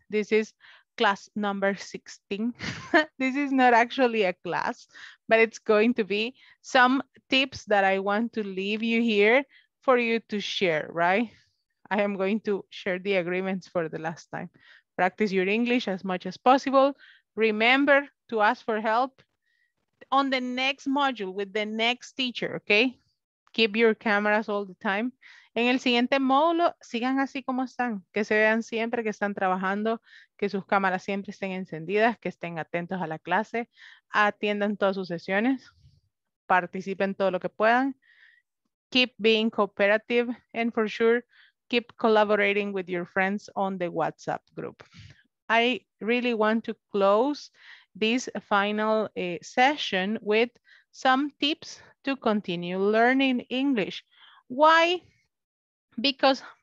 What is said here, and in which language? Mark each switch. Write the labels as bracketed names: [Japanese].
[English] This is class number 16. This is not actually a class, but it's going to be some tips that I want to leave you here for you to share, right? I am going to share the agreements for the last time. Practice your English as much as possible. Remember to ask for help on the next module with the next teacher, okay? Keep your cameras all the time. [Spanish] En el siguiente módulo, sigan así como están, que se vean siempre que están trabajando, que sus cámaras siempre estén encendidas, que estén atentos a la clase, atiendan todas sus sesiones, participen todo lo que puedan. [English] Keep being cooperative and for sure, keep collaborating with your friends on the WhatsApp group. I really want to close this final session with some tips to continue learning English. Why? Because